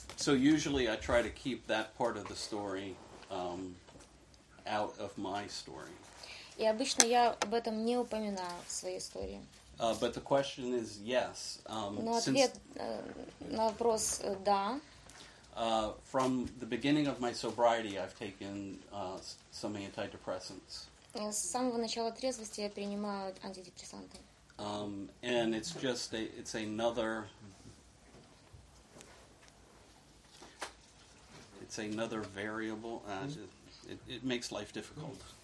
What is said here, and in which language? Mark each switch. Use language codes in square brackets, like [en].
[en] So usually I try to keep that part of the story out of my story. [ru] И обычно я об этом не упоминаю в своей истории. [en] But the question is yes. [ru] Но ответ на вопрос да. [en] From the beginning of my sobriety, I've taken some antidepressants. [ru] С самого начала трезвости я принимаю антидепрессанты. [en] And it's just it's another. It's another variable. It makes life difficult.